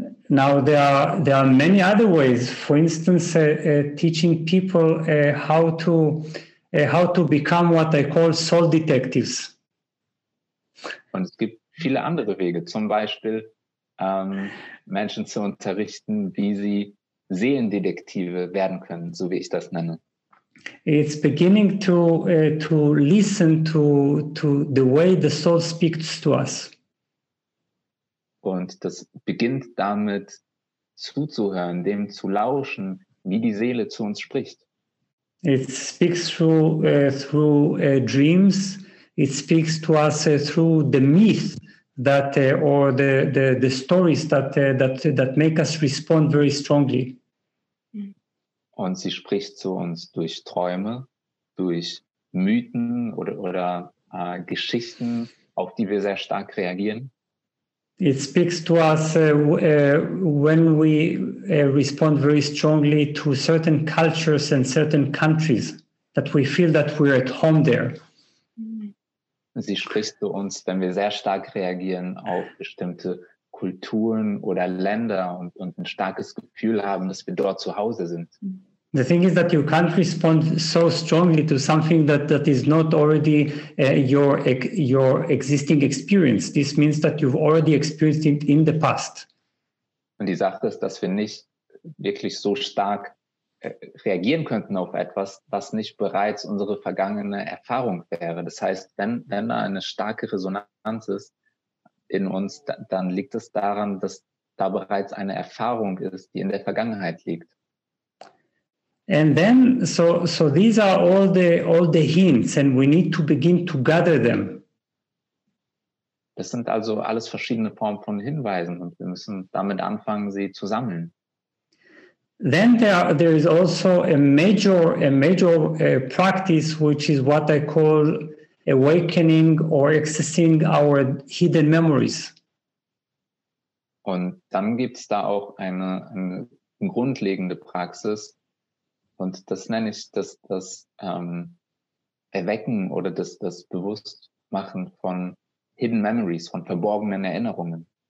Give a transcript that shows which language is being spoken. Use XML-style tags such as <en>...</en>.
<en>Now there are many other ways. For instance, teaching people how to become what I call soul detectives.</en> <de>Und es gibt viele andere Wege. Zum Beispiel Menschen zu unterrichten, wie sie Seelendetektive werden können, so wie ich das nenne.</de> <en>It's beginning to listen to the way the soul speaks to us.</en> <de>Und das beginnt damit, zuzuhören, dem zu lauschen, wie die Seele zu uns spricht.</de> <en>It speaks through dreams. It speaks to us through the myth that or the stories that make us respond very strongly.</en> <de>Und sie spricht zu uns durch Träume, durch Mythen oder Geschichten, auf die wir sehr stark reagieren.</de> <en>It speaks to us when we respond very strongly to certain cultures and certain countries, that we feel that we're at home there.</en> <de>Sie spricht zu uns, wenn wir sehr stark reagieren auf bestimmte Kulturen oder Länder und ein starkes Gefühl haben, dass wir dort zu Hause sind.</de> <en>The thing is that you can't respond so strongly to something that is not already your existing experience. This means that you've already experienced it in the past.</en> <de>Und die Sache ist, dass wir nicht wirklich so stark reagieren könnten auf etwas, was nicht bereits unsere vergangene Erfahrung wäre. Das heißt, wenn da eine starke Resonanz ist in uns, dann liegt es daran, dass da bereits eine Erfahrung ist, die in der Vergangenheit liegt.</de> <en>And then, so these are all the hints, and we need to begin to gather them.</en> <de>Das sind also alles verschiedene Formen von Hinweisen, und wir müssen damit anfangen, sie zu sammeln.</de> <en>Then there is also a major practice, which is what I call awakening or accessing our hidden memories.</en> <de>Und dann gibt's da auch eine grundlegende Praxis. Und das nenne ich das Erwecken oder das Bewusstmachen von</de> <en>hidden memories,</en> <de>von verborgenen Erinnerungen.</de>